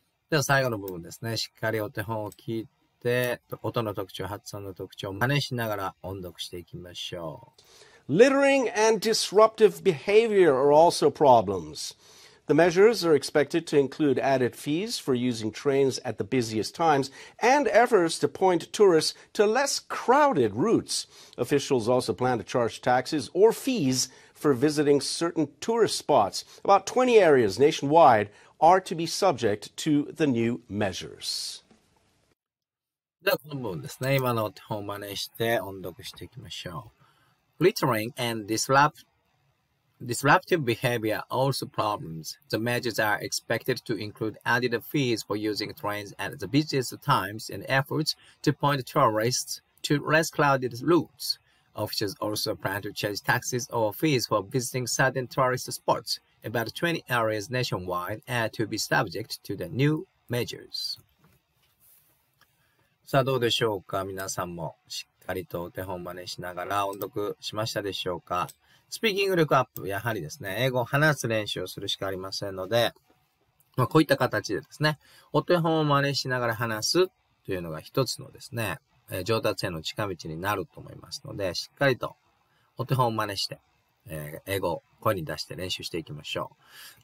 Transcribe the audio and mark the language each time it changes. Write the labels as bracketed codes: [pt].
[ja] では最後の部分ですね。しっかりお手本を聞いて、音の特徴、発音の特徴を真似しながら音読していきましょう。 [en] Littering and disruptive behavior are also problems. The measures are expected to include added fees for using trains at the busiest times and efforts to point tourists to less crowded routes. Officials also plan to charge taxes or fees for visiting certain tourist spots. About 20 areas nationwide are to be subject to the new measures. [ja] では、この部分ですね。今の手本を真似して音読していきましょう。 [en] Littering and disruptive behavior also problems. The measures are expected to include added fees for using trains at the busiest times and efforts to point tourists to less crowded routes. Officials also plan to charge taxes or fees for visiting certain tourist spots. About 20 areas nationwide are to be subject to the new measures. [ja] さあどうでしょうか? 皆さんもしっかりとお手本真似しながら音読しましたでしょうか? スピーキング力アップ、やはりですね、英語を話す練習をするしかありませんので、まあ、こういった形でですね、お手本を真似しながら話すというのが一つのですね、上達への近道になると思いますので、しっかりとお手本を真似して、英語を声に出して練習していきましょう。